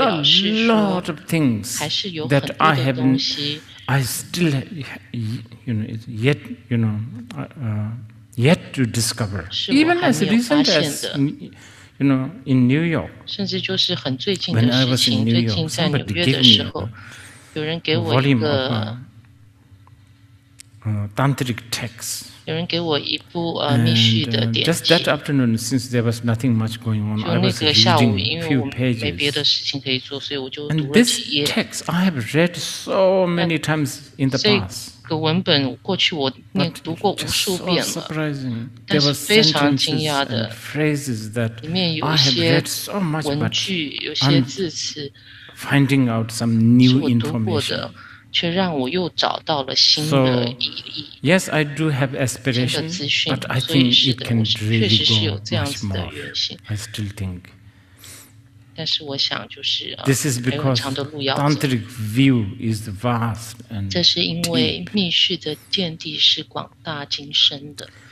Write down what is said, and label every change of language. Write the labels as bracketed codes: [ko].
[en] a lot of things that I haven't, I still, you know, yet, you know, yet to discover. Even as recent as you know, in New York， [zh] 甚至就是很最近的事情。最近在纽约的时候，有人给我一个 [en] tantric text。 [zh] 有人给我一部密续的典籍。 [en] Just that afternoon, since there was nothing much going on, I was reading a few pages. [zh] 没别的事情可以做，所以我就读了几页。 [en] And this text I have read so many times in the past。 [zh] 这个文本过去我念读过无数遍了。 [en] So surprising. [zh] 但是非常惊讶的。 [en] Phrases that [zh] 里面有一些 [en] I have read so much, [zh] 文句，有些字词。 [en] Finding out some new information. [zh] 却让我又找到了新的意义。 [en] So, yes, I do have aspiration, but I think it can really go much more. I still think. [zh] 但是我想就是 [en] ，This is because tantric view is vast and deep. [zh] 这是因为密续的见地是广大精深的。